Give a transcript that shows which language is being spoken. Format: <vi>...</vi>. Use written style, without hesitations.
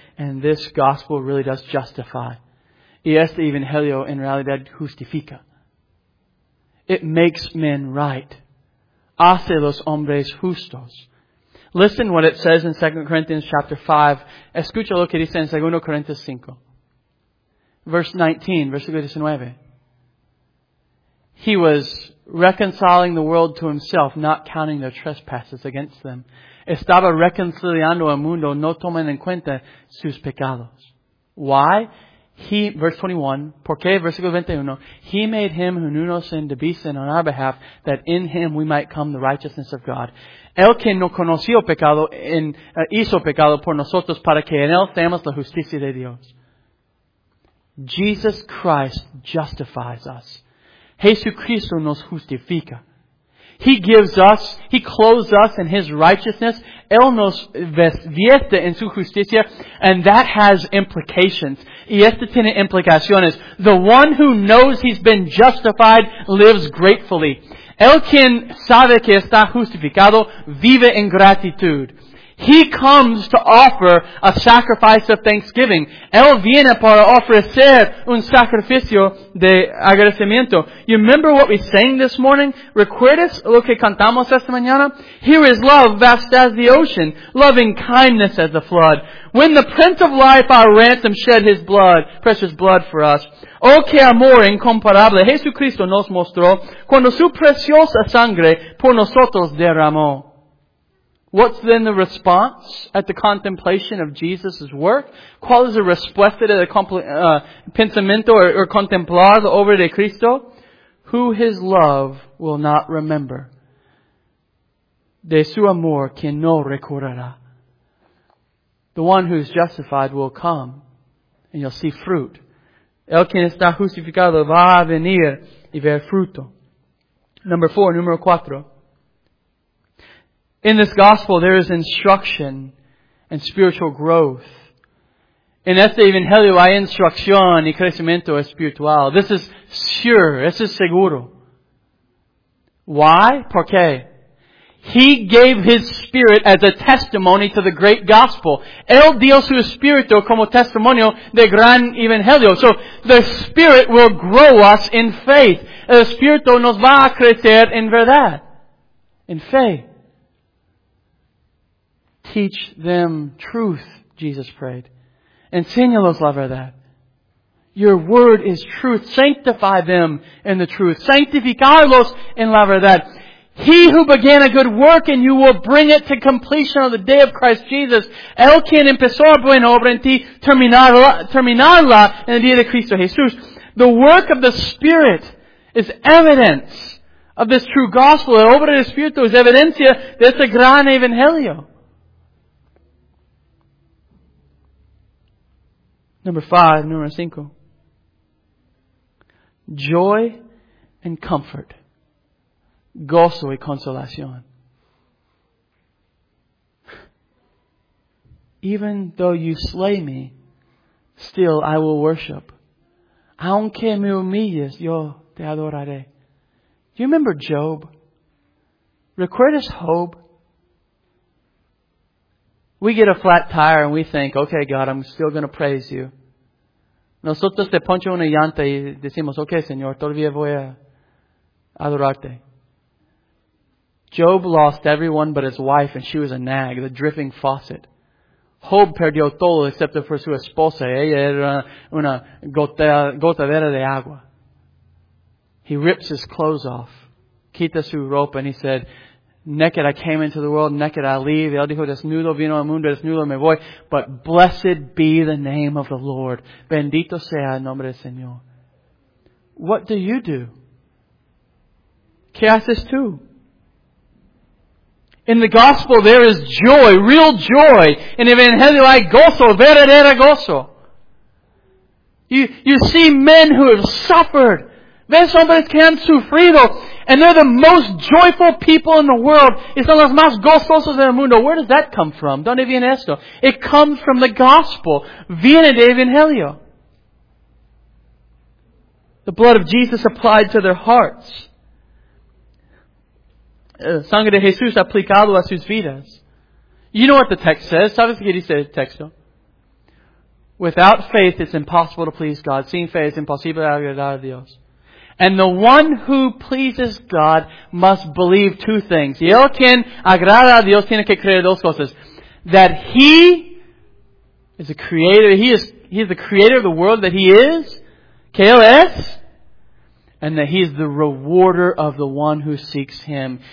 <en>And this gospel really does justify.</en> <es>Y este evangelio en realidad justifica.</es> <en>It makes men right.</en> <es>Hace los hombres justos.</es> <en>Listen what it says in 2 Corinthians chapter 5.</en> <es>Escucha lo que dice en 2 Corinthians 5.</es> <en>Verse 19,</en> <es>versículo 19.</es> <en>He was reconciling the world to Himself, not counting their trespasses against them.</en> <es>Estaba reconciliando al mundo, no tomando en cuenta sus pecados.</es> <en>Why? He, verse 21,</en> <es>¿por qué? Versículo 21,</es> <en>He made Him who knew no sin to be sin on our behalf, that in Him we might come the righteousness of God.</en> <es>El que no conoció pecado, hizo pecado por nosotros para que en Él seamos la justicia de Dios.</es> <en>Jesus Christ justifies us.</en> <es>Jesucristo nos justifica.</es> <en>He gives us, He clothes us in His righteousness.</en> <es>Él nos viste en su justicia.</es> <en>And that has implications.</en> <es>Y esto tiene implicaciones.</es> <en>The one who knows he's been justified lives gratefully.</en> <es>El quien sabe que está justificado vive en gratitud.</es> <en>He comes to offer a sacrifice of thanksgiving.</en> <es>Él viene para ofrecer un sacrificio de agradecimiento.</es> <en>You remember what we sang this morning?</en> <es>¿Recuerdas lo que cantamos esta mañana?</es> <en>Here is love vast as the ocean, loving kindness as the flood. When the Prince of Life, our ransom, shed His blood, precious blood for us.</en> <es>Oh, qué amor incomparable Jesucristo nos mostró cuando su preciosa sangre por nosotros derramó.</es> <en>What's then the response at the contemplation of Jesus' work?</en> <es>¿Cuál es la respuesta de pensamiento or contemplar la obra de Cristo?</es> <en>Who His love will not remember?</en> <es>De su amor, quien no recordará.</es> <en>The one who is justified will come, and you'll see fruit.</en> <es>El quien está justificado va a venir y ver fruto. Número cuatro.</es> <en>In this gospel, there is instruction and spiritual growth.</en> <es>En este evangelio hay instrucción y crecimiento espiritual.</es> <en>This is sure. This is seguro. Why?</en> <es>¿Por qué?</es> <en>He gave His Spirit as a testimony to the great gospel.</en> <es>Él dio su Espíritu como testimonio del gran evangelio.</es> <en>So, the Spirit will grow us in faith.</en> <es>El Espíritu nos va a crecer en verdad. En fe.</es> <en>Teach them truth, Jesus prayed.</en> <es>Enséñalos la verdad.</es> <en>Your word is truth. Sanctify them in the truth.</en> <es>Sanctificarlos en la verdad.</es> <en>He who began a good work in you will bring it to completion on the day of Christ Jesus.</en> <es>El quien empezó a buena obra en ti terminarla en el día de Cristo Jesús.</es> <en>The work of the Spirit is evidence of this true gospel.</en> <es>El obra del Espíritu es evidencia de este gran evangelio. Número cinco.</es> <en>Joy and comfort.</en> <es>Gozo y consolación.</es> <en>Even though you slay me, still I will worship.</en> <es>Aunque me humilles, yo te adoraré.</es> <en>Do you remember Job?</en> <es>¿Recuerdas Job?</es> <en>We get a flat tire and we think, okay, God, I'm still going to praise you.</en> <es>Nosotros te poncho una llanta y decimos, okay, Señor, todavía voy a adorarte.</es> <en>Job lost everyone but his wife, and she was a nag, the dripping faucet.</en> <es>Job perdió todo excepto por su esposa. Ella era una gotadera de agua.</es> <en>He rips his clothes off,</en> <es>quita su ropa,</es> <en>and he said, naked I came into the world, naked I leave.</en> <es>Él dijo, desnudo vino al mundo, desnudo me voy.</es> <en>But blessed be the name of the Lord.</en> <es>Bendito sea el nombre del Señor.</es> <en>What do you do?</en> <es>¿Qué haces tú?</es> <en>In the gospel there is joy, real joy.</en> <es>In evangelio hay gozo, verdadero gozo.</es> <en>You see men who have suffered.</en> <es>Ves hombres que han sufrido.</es> <en>And they're the most joyful people in the world.</en> <es>Y son los más gozosos del mundo.</es> <en>Where does that come from?</en> <es>¿Dónde viene esto?</es> <en>It comes from the gospel.</en> <es>Viene de evangelio.</es> <en>The blood of Jesus applied to their hearts.</en> <es>Sangre de Jesús aplicado a sus vidas.</es> <en>You know what the text says.</en> <es>¿Sabes qué dice el texto?</es> <en>Without faith, it's impossible to please God.</en> <es>Sin fe, es imposible agradar a Dios.</es> <en>And the one who pleases God must believe two things.</en> <es>Y el quien agrada a Dios tiene que creer dos cosas.</es> <en>That He is a creator. He is the creator of the world that He is.</en> <es>Que Él es.</es> <en>And that He is the rewarder of the one who seeks Him.</en>